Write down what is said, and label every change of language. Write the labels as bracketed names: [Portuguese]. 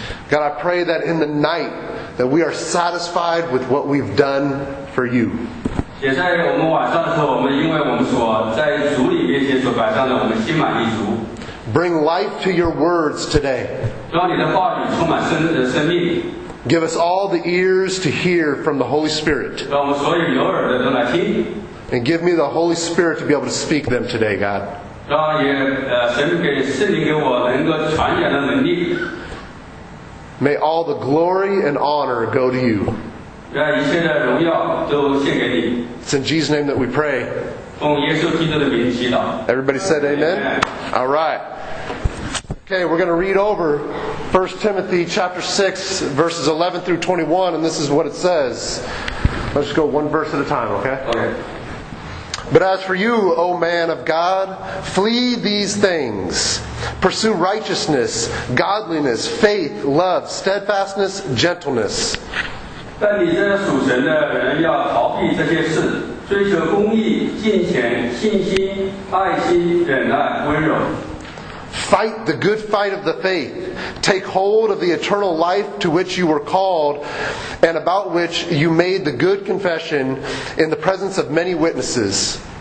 [English] God, I pray that in the night that we are satisfied with what we've done for you. [Chinese] 也在我们晚上的时候，我们因为我们所在主里面所摆上的，我们心满意足。 [English] Bring life to your words today. [Chinese] 让你的话语充满生命。 [English] Give us all the ears to hear from the Holy Spirit. [Chinese] 让我们所有有耳的都来听。 [English] And give me the Holy Spirit to be able to speak them today, God. [Chinese] 让圣灵给我能够传讲的能力。 [English] May all the glory and honor go to you. [Chinese] 让一切的荣耀都献给你。 [English] It's in Jesus' name that we pray. [Chinese] 奉耶稣基督的名祈祷。 [English] Everybody said amen? Amen. All right. Okay, we're going to read over 1 Timothy chapter 6, verses 11 through 21, and this is what it says. Let's just go one verse at a time, okay? But as for you, O man of God, flee these things. Pursue righteousness, godliness, faith, love, steadfastness, gentleness. [Chinese] 但你这属神的人要逃避这些事，追求公义、敬虔、信心、爱心、忍耐、温柔。 [English] Fight the good fight of the faith. Take hold of the eternal life to which you were called and about which you made the good confession in the presence of many witnesses.